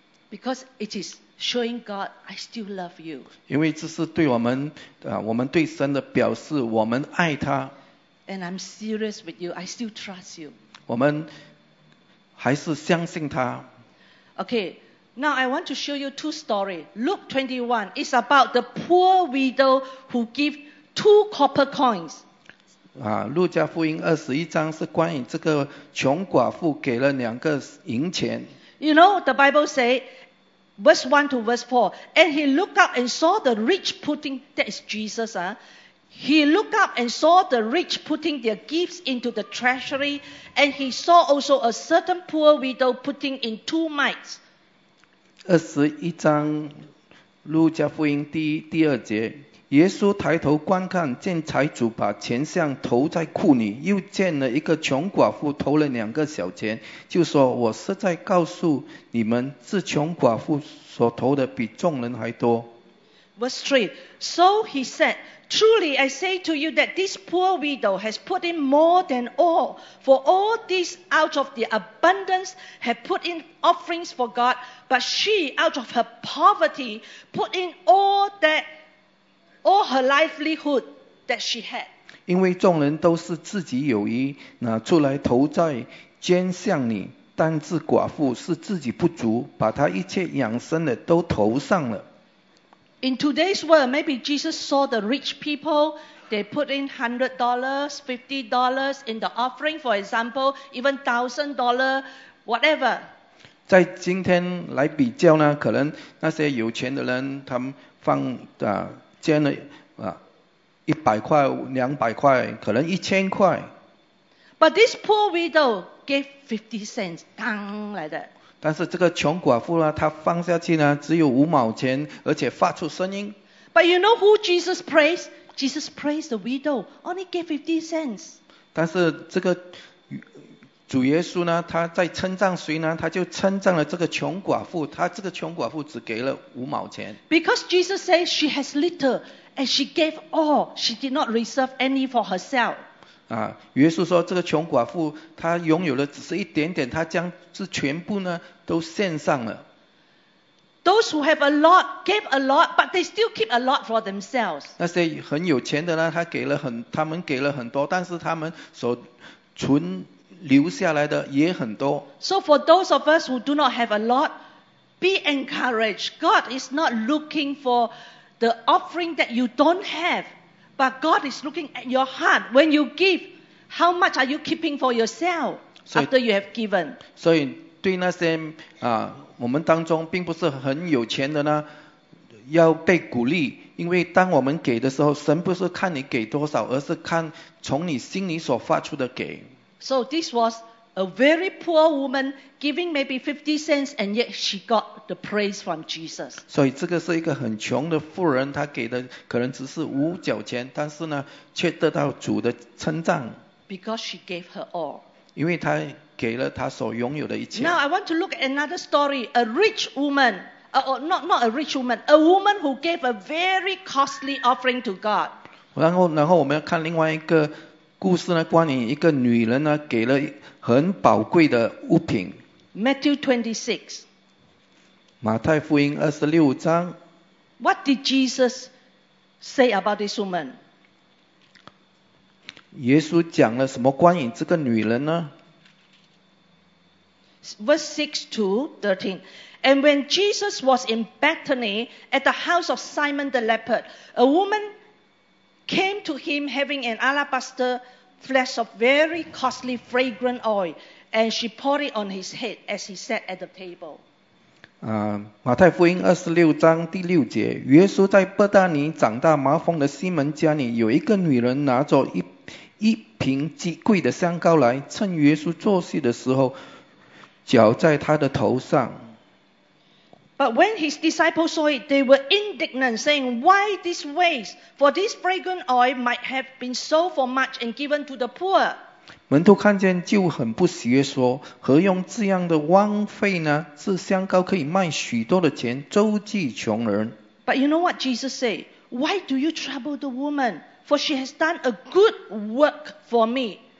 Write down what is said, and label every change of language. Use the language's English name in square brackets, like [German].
[English] Because it is showing God, I still love you. [Chinese] 因为这是对我们我们对神的表示，我们爱他。 [English] And I'm serious with you. I still trust you. [Chinese] 我们还是相信他。 [English] Okay, now I want to show you two stories. Luke 21 is about the poor widow who gave two copper coins. [Chinese] 路加福音21章是关于这个穷寡妇给了两个银钱。 [English] You know, the Bible says, verse 1 to verse 4, and he looked up and saw the rich putting, that is Jesus, He looked up and saw the rich putting their gifts into the treasury, and he saw also a certain poor widow putting in two mites. [Chinese] 21章路加福音第二节，耶稣抬头观看，见财主把钱项投在库里，又见了一个穷寡妇投了两个小钱，就说：“我实在告诉你们，这穷寡妇所投的比众人还多。” [English] Verse 3. So he said. Truly, I say to you that this poor widow has put in more than all, for all these out of the abundance have put in offerings for God, but she, out of her poverty, put in all her livelihood that she had. [Chinese] 因为众人都是自己有余，拿出来投在捐项里，但是寡妇是自己不足，把她一切养生的都投上了。 [English] In today's world, maybe Jesus saw the rich people. They put in $100, $50 in the offering, for example, even $1,000, whatever. [Chinese] 在今天来比较呢，可能那些有钱的人，他们放捐了100块、200块，可能1000块。 [English] But this poor widow gave 50 cents, dang like that. [Chinese] 但是这个穷寡妇呢，她放下去呢，只有5毛钱，而且发出声音。 [English] But you know who Jesus praised? Jesus praised the widow, only gave 50 cents. [Chinese] 但是这个主耶稣呢，他在称赞谁呢？他就称赞了这个穷寡妇，他这个穷寡妇只给了5毛钱。 [English] Because Jesus says she has little and she gave all, she did not reserve any for herself. [Chinese] 耶稣说这个穷寡妇她拥有的只是一点点，她将这全部呢都献上了。 [English] Those who have a lot gave a lot, but they still keep a lot for themselves. [Chinese] 那些很有钱的呢，他们给了很多，但是他们所存留下来的也很多。 [English] So for those of us who do not have a lot, be encouraged. God is not looking for the offering that you don't have, But God is looking at your heart. When you give, how much are you keeping for yourself after you have given? [Chinese] 所以对那些我们当中并不是很有钱的呢，要被鼓励，因为当我们给的时候，神不是看你给多少，而是看从你心里所发出的给。 [English] So this was a very poor woman giving maybe 50 cents and yet she got the praise from Jesus. [Chinese] 所以这个是一个很穷的妇人，她给的可能只是五角钱，但是呢，却得到主的称赞。 [English] Because she gave her all. [Chinese] 因为她给了她所拥有的一切。 [English] Now I want to look at another story, a rich woman. Not a rich woman, a woman who gave a very costly offering to God. [Chinese] 然后我们要看另外一个故事呢，关于一个女人呢，给了很宝贵的物品。 [English] Matthew 26. [Chinese] 马太福音26章。 [English] What did Jesus say about this woman? [Chinese] 耶稣讲了什么关于这个女人呢？ [English] Verse 6 to 13. And when Jesus was in Bethany at the house of Simon the leper, a woman came to him having an alabaster flask of very costly fragrant oil, and she poured it on his head as he sat at the table. [Chinese] 马太福音26章第6节，耶稣在伯大尼长大麻风的西门家里，有一个女人拿着一瓶极贵的香膏来，趁耶稣坐席的时候，浇在他的头上。 [English] But when his disciples saw it, they were indignant, saying, Why this waste? For this fragrant oil might have been sold for much and given to the poor. [Chinese] 门徒看见就很不屑说，何用这样的枉费呢？这香膏可以卖许多的钱，周济穷人。 [English] But you know what Jesus said? Why do you trouble the woman? For she has done a good work for me.